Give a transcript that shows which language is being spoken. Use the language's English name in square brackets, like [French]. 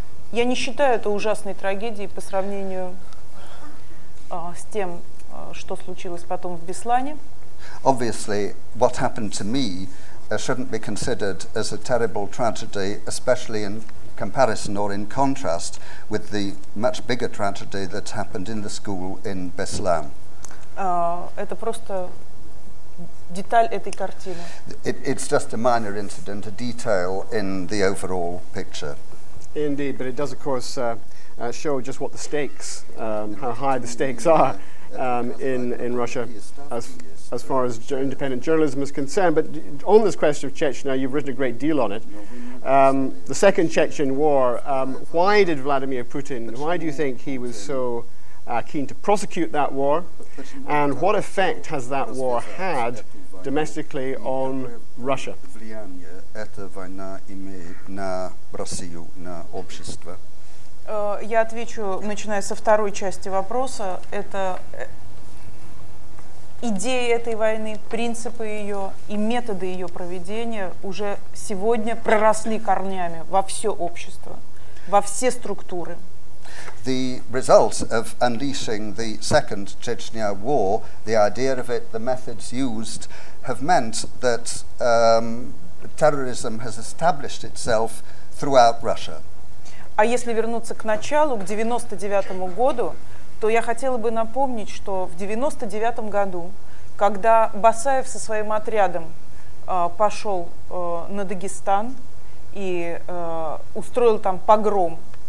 [Russian] Я не считаю это ужасной трагедией по сравнению с тем, что случилось потом в Беслане. [English] Obviously, what happened to me shouldn't be considered as a terrible tragedy, especially in comparison or in contrast with the much bigger tragedy that happened in the school in Беслан. [Russian] Это просто деталь этой картины. [English] It's just a minor incident, a detail in the overall picture. Indeed, but it does, of course, show just what the stakes, how high the stakes are in Russia as far as independent journalism is concerned. But on this question of Chechnya, you've written a great deal on it. The Second Chechen War, why did Vladimir Putin, why do you think he was so keen to prosecute that war? And what effect has that war had domestically on Russia? [Russian] Эта война имеет на Россию, на общество. Я отвечу, начиная со второй части вопроса. Это идеи этой войны, принципы ее и методы ее проведения уже сегодня проросли корнями во все общество, во все структуры. [English] The result of unleashing the Second Chechnya War, the idea of it, the methods used, have meant that terrorism has established itself throughout Russia. [Russian] А если вернуться к началу, к 99-му году, то я хотела бы напомнить, что в 99-м году, когда Басаев со своим отрядом пошел на Дагестан и устроил там погром